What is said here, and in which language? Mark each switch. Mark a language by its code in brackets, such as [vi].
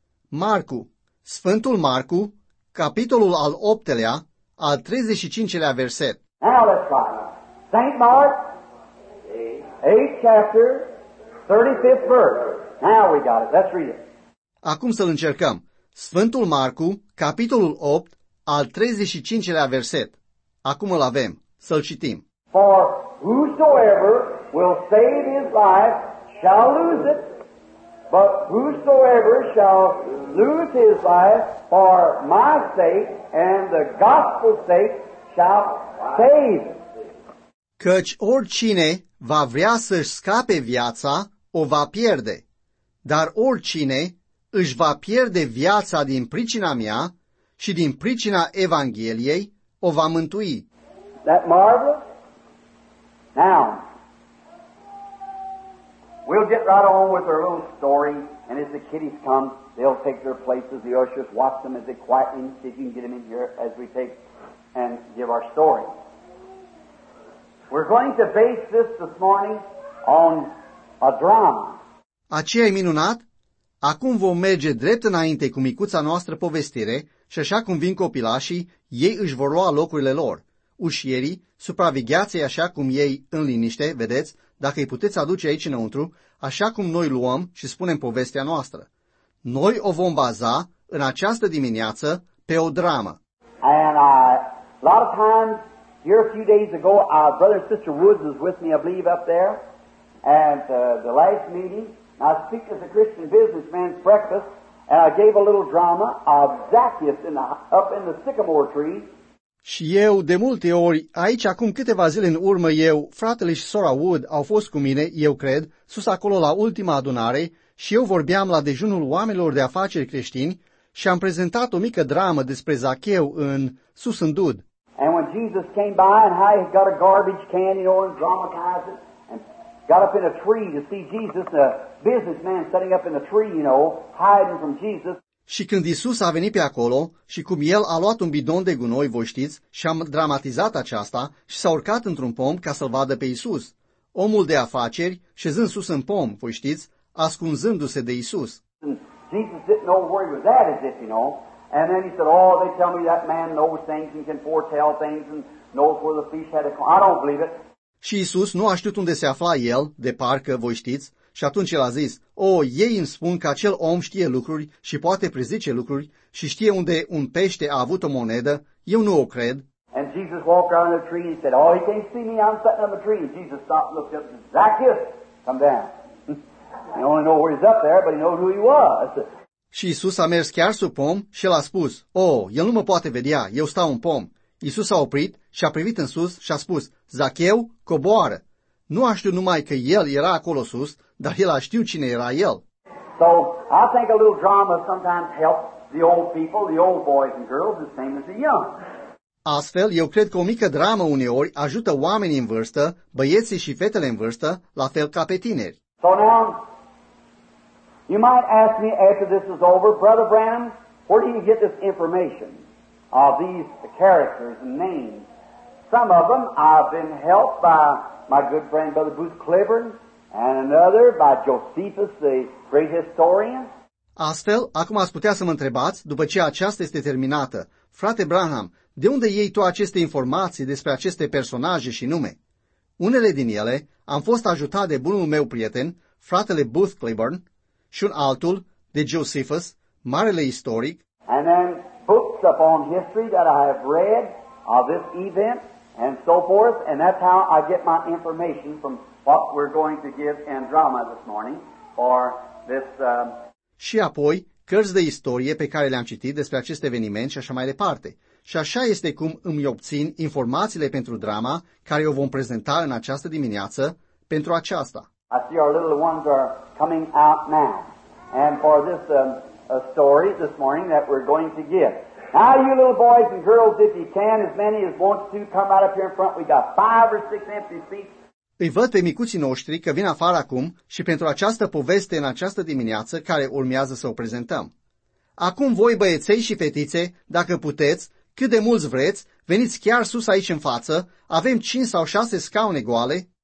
[ro] Marcu, Sfântul Marcu, capitolul al 8-lea, al 35-lea verset. [en] Now let's try. St. Mark, 8th chapter, 35th verse. Now we got it. Let's read it. [ro] Acum să-l încercăm. Sfântul Marcu, capitolul 8, al 35-lea verset. Acum îl avem. Să-l citim. [en] For whosoever will save his life shall lose it, but whosoever shall lose his life for my sake and the gospel's sake shall save. [ro] Căci oricine va vrea să-și scape viața, o va pierde. Dar oricine își va pierde viața din pricina mea și din pricina Evangheliei, o va mântui. [en] That marvelous? Now, we'll get right on with our little story, and as the kiddies come, they'll take their places. The ushers watch them as they quietly, see if you can get them in here as we take and give our story. We're going to base this morning on a drama. [ro] Aceea e minunat? Acum vom merge drept înainte cu micuța noastră povestire și așa cum vin copilașii, ei își vor lua locurile lor. Ușierii, supravegheați-i așa cum ei, în liniște, vedeți, dacă îi puteți aduce aici înăuntru, așa cum noi luăm și spunem povestea noastră. Noi o vom baza, în această dimineață, pe o dramă. [en] And a lot of times, here a few days ago, our brother and sister Woods was with me, I believe, up there, at the last meeting. I speak as a Christian businessman's breakfast, and I gave a little drama of Zacchaeus up in the sycamore tree. [ro] Și eu, de multe ori, aici acum câteva zile în urmă, eu, fratele și sora Wood au fost cu mine, eu cred, sus acolo la ultima adunare, și eu vorbeam la dejunul oamenilor de afaceri creștini și am prezentat o mică dramă despre Zacheu în Sus în Dud. [en] And when Jesus came by and I got a garbage can, you know, and dramatized it, and got up in a tree to see Jesus, a businessman sitting up in a tree, you know, hiding from Jesus. [ro] Și când Iisus a venit pe acolo și cum el a luat un bidon de gunoi, voi știți, și am dramatizat aceasta și s-a urcat într-un pom ca să-l vadă pe Iisus, omul de afaceri șezând sus în pom, voi știți, ascunzându-se de Iisus. [en] Jesus didn't know where he was at, as if, you know. And then he said, oh, they tell me that man knows things and can foretell things and knows where the fish had to come. I don't believe it. [ro] Și Iisus nu a știut unde se afla el, de parcă, voi știți, și atunci el a zis, o, ei îmi spun că acel om știe lucruri și poate prezice lucruri și știe unde un pește a avut o monedă, eu nu o cred. [en] And Jesus walked around the tree and said, oh, he can't see me, I'm sitting on the tree. And Jesus stopped and looked up and said, Zacchaeus, come down. He only knows where he's up there, but he knows who he was. [ro] Și Iisus a mers chiar sub pom și el a spus, o, el nu mă poate vedea, eu stau în pom. Iisus a oprit și a privit în sus și a spus, Zacheu, coboară. Nu a știut numai că el era acolo sus, dar el a știut cine era el. [en] So, I think a little drama sometimes helps the old people, the old boys and girls, the same as the young. [ro] Astfel, eu cred că o mică dramă uneori ajută oamenii în vârstă, băieții și fetele în vârstă, la fel ca pe tineri. [en] So now, you might ask me after this is over, Brother Branham, where do you get this information of these characters and names? Some of them I've been helped by my good friend Brother Booth Cliburn, and another by Josephus, the great historian. [ro] Astfel, acum ați putea să mă întrebați, după ce aceasta este terminată, frate Branham, de unde iei tu aceste informații despre aceste personaje și nume? Unele din ele am fost ajutat de bunul meu prieten, fratele Booth Cliburn, și un altul de Josephus, marele istoric. [en] And then books upon history that I have read of this event and so forth, and that's how I get my information from what we're going to give in drama this morning for this. [ro] Și apoi cărți de istorie pe care le-am citit despre acest eveniment și așa mai departe. Și așa este cum îmi obțin informațiile pentru drama care o vom prezenta în această dimineață pentru aceasta. [en] I see our little ones are coming out now. And for this story this morning that we're going to give. Now you little boys and girls, if you can, as many as want to, come out up here in front. We got 5 or 6 empty seats. [ro] Îi văd pe micuții noștri că vin afară acum și pentru această poveste în această dimineață care urmează să o prezentăm. Acum voi, băieței și fetițe, dacă puteți, cât de mulți vreți, veniți chiar sus aici în față, avem 5 sau 6 scaune goale.